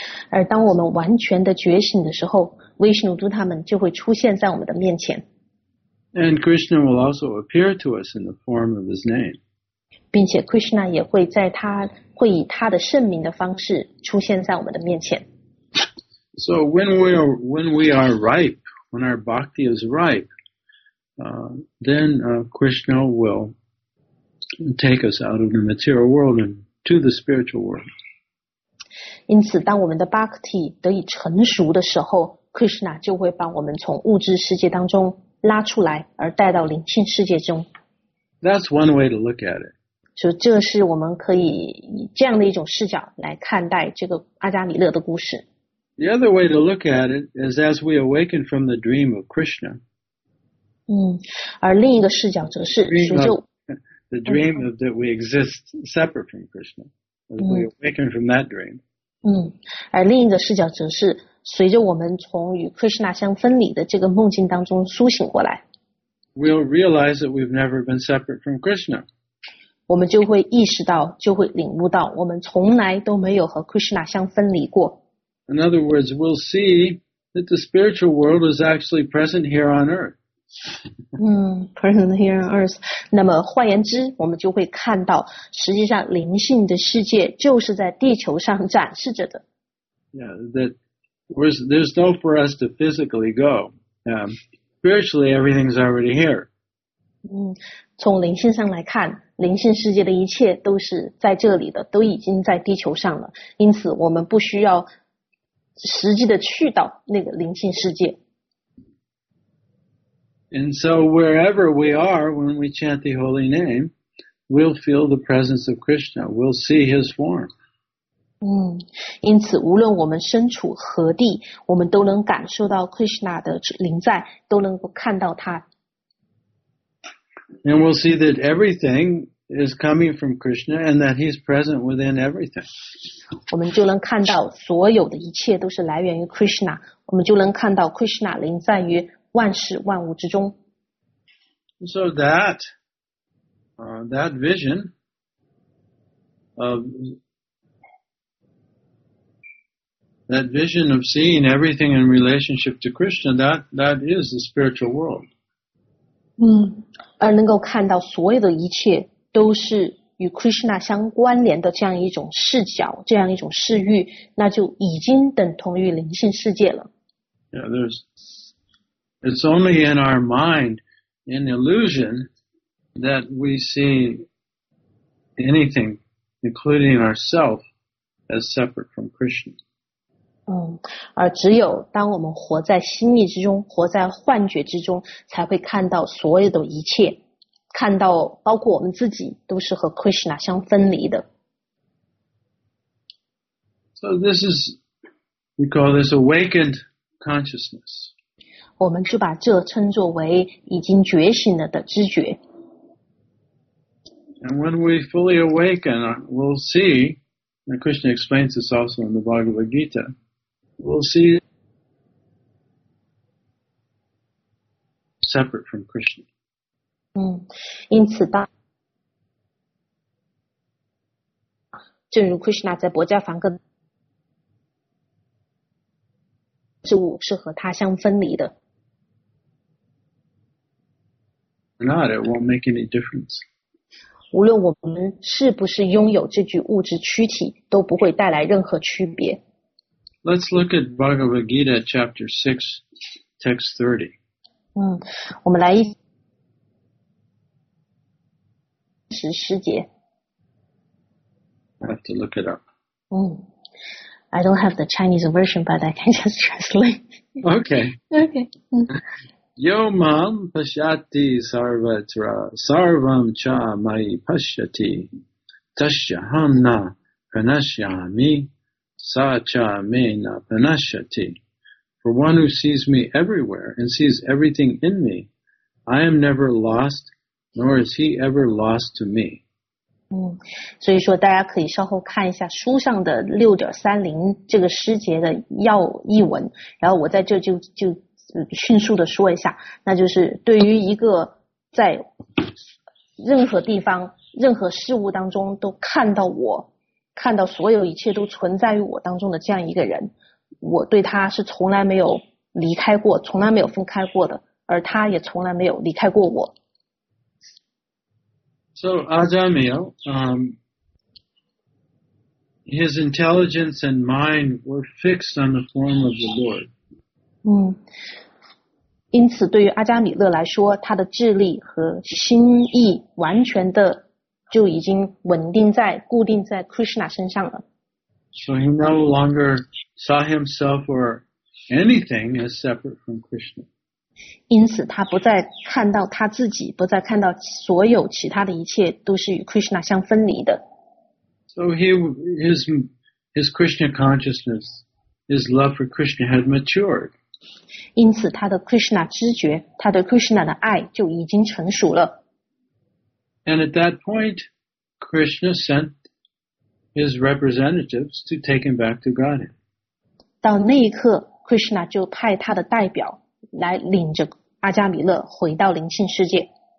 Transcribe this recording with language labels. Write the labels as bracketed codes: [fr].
[zh] 而当我们完全的觉醒的时候，Vishnu Dutas 他们就会出现在我们的面前。 [en] And Krishna will also appear to us in the form of his name. [zh] 并且 Krishna 也会在他会以他的圣名的方式出现在我们的面前。 [en] So when we are ripe, when our bhakti is ripe, then Krishna will take us out of the material world and to the spiritual world. [zh] 因此当我们的 bhakti 得以成熟的时候，Krishna 就会把我们从物质世界当中拉出来，而带到灵性世界中。 [en] That's one way to look at it. [zh] 所以这是我们可以以这样的一种视角来看待这个阿加米勒的故事。 [en] The other way to look at it is as we awaken from the dream of Krishna. [zh] 而另一个视角则是 [en] The dream of that we exist separate from Krishna. As we awaken from that dream. [zh] 而另一个视角则是随着我们从与 Krishna 相分离的这个梦境当中苏醒过来 [en] ，We'll realize that we've never been separate from Krishna. [zh] 我们就会意识到，就会领悟到，我们从来都没有和 Krishna 相分离过。 [en] In other words, we'll see that the spiritual world is actually present here on earth. present here on earth. [zh] 那么换言之，我们就会看到，实际上灵性的世界就是在地球上展示着的。 [en] There's no for us to physically go. Spiritually, everything's already here. [zh] 从灵性上来看，灵性世界的一切都是在这里的，都已经在地球上了。因此，我们不需要实际的去到那个灵性世界。 [en] And so, wherever we are, when we chant the holy name, we'll feel the presence of Krishna. We'll see his form. [zh] 因此无论我们身处何地，我们都能感受到 Krishna 的临在，都能够看到他。 [en] And we'll see that everything is coming from Krishna and that he's present within everything. [zh] 我们就能看到所有的一切都是来源于 Krishna, 我们就能看到 Krishna 临在于万事万物之中。 [en] So that vision of that vision of seeing everything in relationship to Krishna, that is the spiritual world. [zh] 而能够看到所有的一切都是与 Krishna 相关联的这样一种视角，这样一种视域，那就已经等同于灵性世界了。 [en] Yeah, it's only in our mind, in illusion, that we see anything, including ourselves, as separate from Krishna. [zh] 而只有当我们活在心意之中，活在幻觉之中，才会看到所有的一切，看到包括我们自己都是和 Krishna 相分离的。 [en] So this is, we call this awakened consciousness. [zh] 我们就把这称作为已经觉醒了的知觉。 [en] And when we fully awaken, we'll see, and Krishna explains this also in the Bhagavad Gita, we'll see separate from Krishna. [zh] 因此当正如 Krishna 在薄伽梵歌之物是和他相分离的。 [en] Or not, it won't make any difference. [zh] 无论我们是不是拥有这具物质躯体都不会带来任何区别。 [en] Let's look at Bhagavad Gita chapter 6, text 30. [zh] 我们来一十十节。 [en] I have to look it up. I don't have the Chinese version, but I can just translate. [sa] Okay. Yo mam pashyati sarvatra sarvam cha mai pashyati tashyaham na pranashyami sa cha me na pranashyati. [en] For one who sees me everywhere and sees everything in me, I am never lost, nor is he ever lost to me. [zh] 所以说大家可以稍后看一下书上的 6.30 这个诗节的要译文，然后我在这就迅速的说一下，那就是对于一个在任何地方任何事物当中都看到我，看到所有一切都存在于我当中的这样一个人，我对他是从来没有离开过，从来没有分开过的，而他也从来没有离开过我。 [en] So Ajamiya, his intelligence and mind were fixed on the form of the Lord. [zh] 因此对于阿加米勒来说，他的智力和心意完全的就已经稳定在固定在 Krishna 身上了。 [en] So he no longer saw himself or anything as separate from Krishna. [zh] 因此他不再看到他自己，不再看到所有其他的一切都是与 Krishna 相分离的。 [en] So his Krishna consciousness, his love for Krishna had matured. [zh] 因此他的 Krishna 知觉，他对 Krishna 的爱就已经成熟了。 [en] And at that point, Krishna sent his representatives to take him back to Godhead. [zh] 到那一刻 ，Krishna 就派他的代表来领着阿加米勒回到灵性世界。